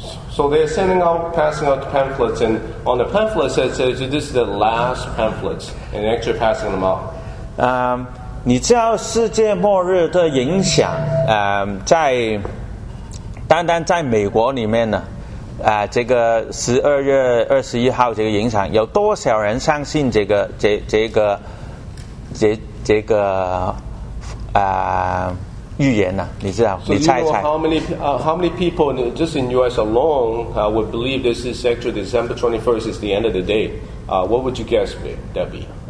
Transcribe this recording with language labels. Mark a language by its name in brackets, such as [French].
[English] So they're sending out, passing out pamphlets, and on the pamphlets it says this is the last pamphlets, and actually passing them out. [Chinese] 你知道世界末日的影响在单单在美国里面呢这个12月21号这个影响有多少人相信这个预言呢、啊？你知道？ [English] So、 [Chinese] 你猜猜 [English] how many people just in U.S. alone would believe this is actually December 21st is the end of the day? What would you guess, Debbie?